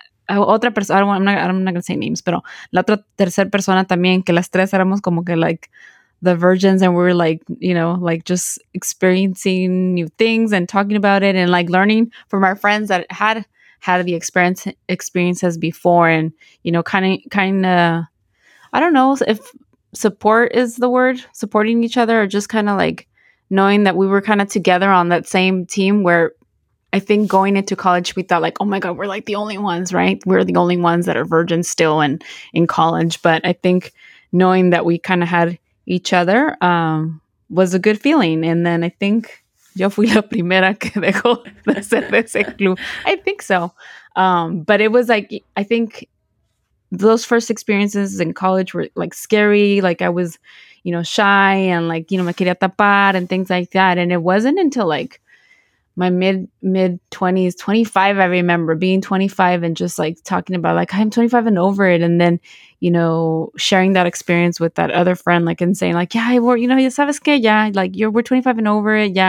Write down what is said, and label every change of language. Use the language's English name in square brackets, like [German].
[Spanish] Otra persona, [English] I'm not gonna say names, [Spanish] pero la otra tercera persona también, que las tres éramos como que [English] like the virgins, and we were like, you know, like just experiencing new things and talking about it and like learning from our friends that had the experiences before, and you know, kind of, I don't know if support is the word, supporting each other, or just kind of like knowing that we were kind of together on that same team where I think going into college, we thought like, oh my God, we're like the only ones, right? We're the only ones that are virgins still and in college. But I think knowing that we kind of had each other was a good feeling. And then I think [Spanish] yo fui la primera que dejó de ser de ese club. [English] I think so. But it was like, I think those first experiences in college were like scary. Like I was, you know, shy and like, you know, [Spanish] me quería tapar [English] and things like that. And it wasn't until like my mid-20s, 25, I remember being 25 and just like talking about like, I'm 25 and over it. And then, you know, sharing that experience with that other friend, like and saying like, yeah, we're, you know, [Spanish] ya sabes que, [English] yeah, like you're, we're 25 and over it.